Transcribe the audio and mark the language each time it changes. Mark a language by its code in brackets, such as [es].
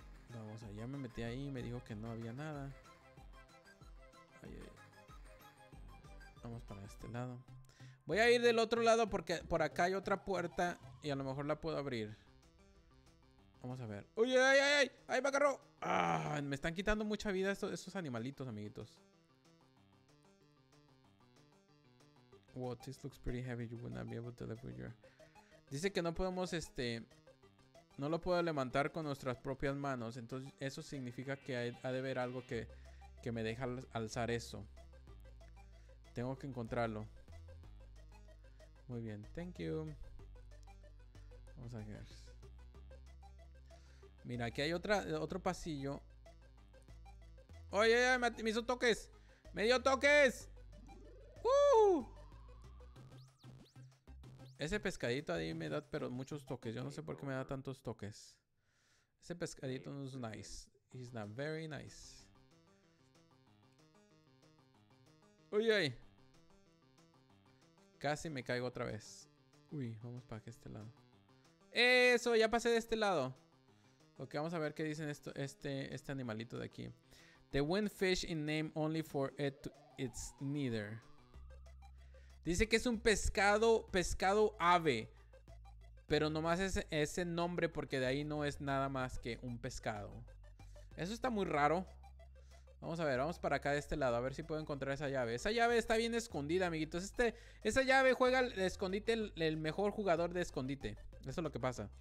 [es] Vamos allá, me metí ahí y me dijo que no había nada. Ay, ay. Vamos para este lado. Voy a ir del otro lado porque por acá hay otra puerta y a lo mejor la puedo abrir. Vamos a ver. ¡Uy, ay, ay, ay! ¡Ay, ay, me agarró! ¡Ah! Me están quitando mucha vida esos animalitos, amiguitos. [en] Wow, this looks pretty heavy. You would not be able to lift with your... [es] Dice que no podemos, no lo puedo levantar con nuestras propias manos. Entonces, eso significa que ha de haber algo que me deja alzar eso. Tengo que encontrarlo. Muy bien, [en] thank you. [es] Vamos a ver. Mira, aquí hay otro pasillo. ¡Oye, me hizo toques! ¡Me dio toques! ¡Woo! Ese pescadito ahí me da pero muchos toques. Yo no sé por qué me da tantos toques. Ese pescadito no es nice. [en] He's not very nice. [es] Uy, ay. Casi me caigo otra vez. Uy, vamos para este lado. ¡Eso! Ya pasé de este lado. Ok, vamos a ver qué dicen este animalito de aquí. [en] The wind fish in name only for it it's neither. [es] Dice que es un pescado ave. Pero nomás es ese nombre porque de ahí no es nada más que un pescado. Eso está muy raro. Vamos a ver, vamos para acá de este lado. A ver si puedo encontrar esa llave. Esa llave está bien escondida, amiguitos. Esa llave juega el escondite, el mejor jugador de escondite. Eso es lo que pasa.